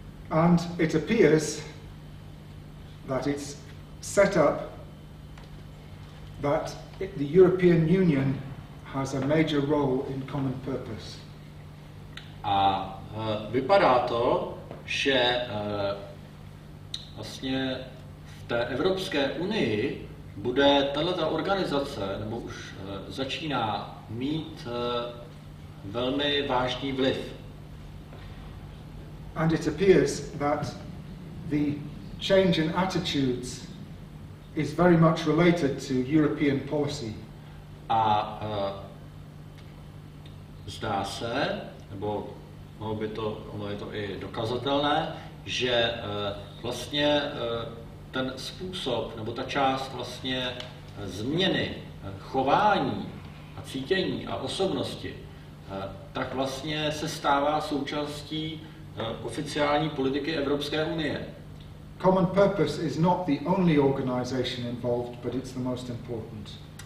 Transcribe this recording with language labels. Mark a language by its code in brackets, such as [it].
[en] And it appears that it's set up that the European Union has a major role in common purpose. [cs] A vypadá to, že vlastně v té Evropské unii bude tato organizace, nebo už začíná mít velmi vážný vliv. [en] And it appears that the change in attitudes is very much related to European policy. [cs] A zdá se, nebo mohlo by to, ono je to i dokazatelné, že vlastně ten způsob, nebo ta část vlastně změny chování a cítění a osobnosti, tak vlastně se stává součástí oficiální politiky Evropské unie. [en] Common purpose is not the only organization involved, but it's the most important.